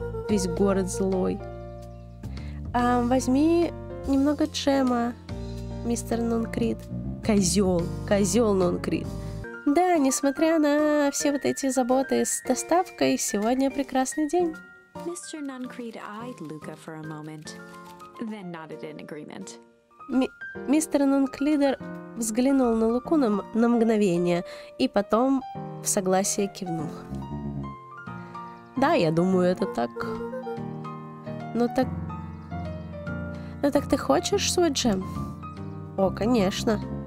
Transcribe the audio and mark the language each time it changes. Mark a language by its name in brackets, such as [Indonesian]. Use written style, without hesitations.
[Russian] Весь город злой. Возьми немного джема, мистер Нункрид. Козел Нункрид. Да, несмотря на все вот эти заботы с доставкой, сегодня прекрасный день. [English] Мистер Нункрид eyed Luca for a moment, then nodded in agreement. [Russian] Мистер Нунклидер взглянул на Луку на мгновение и потом в согласие кивнул. Да, я думаю, это так. Ну так ты хочешь свой джем? О, конечно.